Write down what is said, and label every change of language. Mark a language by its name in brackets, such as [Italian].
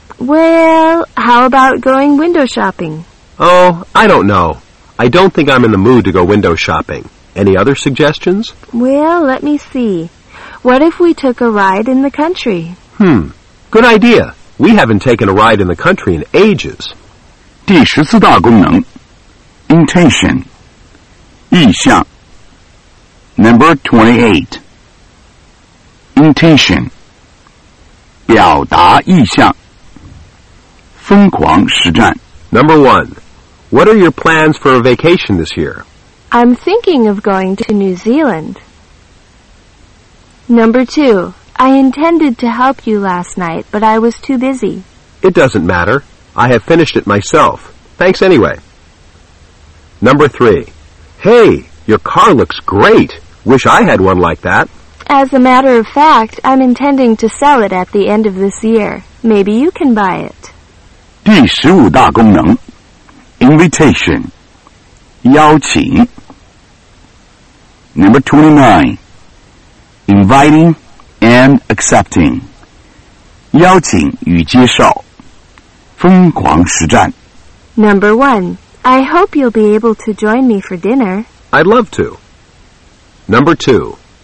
[English] Well, how about going window shopping? Oh, I don't know. I don't think I'm in the mood to go window shopping. Any other suggestions? Well, let me see. What if we took a ride in the country? Good idea. We haven't taken a ride in the country in ages. [Chinese] 第十四大功能 Intention 意向 Number 28 Intention 表达意向疯狂实战 [English] Number 1 What are your plans for a vacation this year? I'm thinking of going to New Zealand Number 2 I intended to help you last night, but I was too busy It doesn't matter. I have finished it myselfThanks anyway. Number 3. Hey, your car looks great. Wish I had one like that. As a matter of fact, I'm intending to sell it at the end of this year. Maybe you can buy it. [Chinese] 第十五大功能 Invitation 邀请 [English] Number 29. Inviting and accepting. [Chinese] 邀请与接受。疯狂实战。 [English] Number 1. I hope you'll be able to join me for dinner. I'd love to. Number 2.